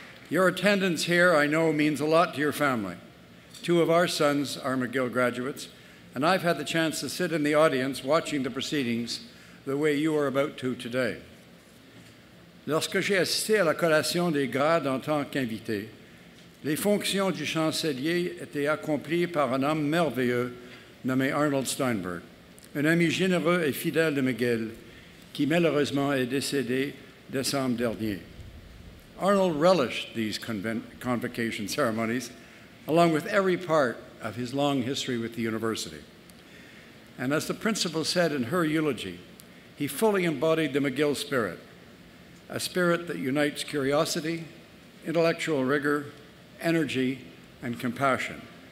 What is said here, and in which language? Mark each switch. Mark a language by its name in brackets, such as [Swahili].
[English] Your attendance here, I know, means a lot to your family. Two of our sons are McGill graduates, and I've had the chance to sit in the audience watching the proceedings the way you are about to today. [French] Lorsque j'ai assisté à la collation des grades en tant qu'invité, les fonctions du chancelier étaient accomplies par un homme merveilleux nommé Arnold Steinberg, un ami généreux et fidèle de McGill, qui malheureusement est décédé décembre dernier. [English] Arnold relished these convocation ceremonies, along with every part of his long history with the university. And as the principal said in her eulogy, he fully embodied the McGill spirit, a spirit that unites curiosity, intellectual rigor, energy, and compassion.